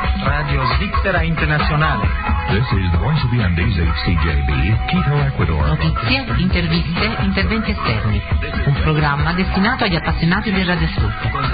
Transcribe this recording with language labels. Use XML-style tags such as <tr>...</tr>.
<it>Radio Svizzera Internazionale.</it> <en>This is the Voice of the Andes, HCJB, Quito, Ecuador.</en> <it>Notizie, interviste, interventi esterni. Un programma destinato agli appassionati del radioascolto.</it>